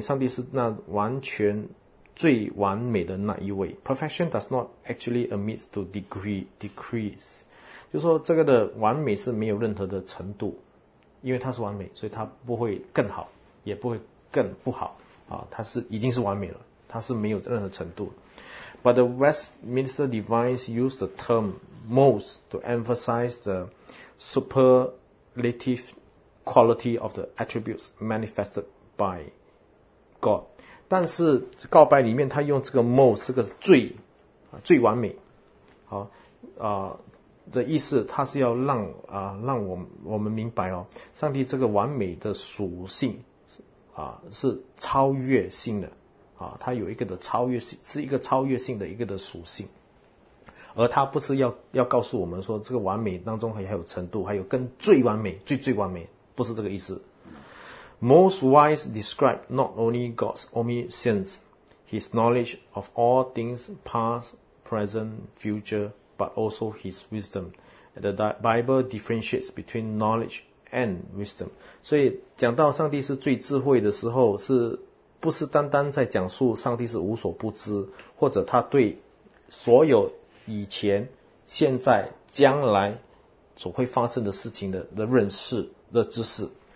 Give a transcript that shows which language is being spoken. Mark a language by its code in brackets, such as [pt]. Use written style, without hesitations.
[zh] 上帝是那完全最完美的那一位。 [en] Perfection does not actually admit to decrease. [zh] 就是说这个的完美是没有任何的程度，因为它是完美，所以它不会更好，也不会更不好它是已经是完美了，它是没有任何程度。 [en] But the Westminster Divines use the term most to emphasize the superlative quality of the attributes manifested by God. [zh] 但是告白里面他用这个 most 这个最完美的意思，他是要让我们明白哦，上帝这个完美的属性是超越性的他有一个的超越性，是一个超越性的一个的属性，而他不是要告诉我们说这个完美当中还有程度，还有更最完美，最最完美，不是这个意思。 [en] Most wise describe not only God's omniscience, His knowledge of all things past, present, future, but also His wisdom. The Bible differentiates between knowledge and wisdom. [zh] 所以讲到上帝是最智慧的时候，是不是单单在讲述上帝是无所不知，或者他对所有以前、现在、将来所会发生的事情的认识的知识。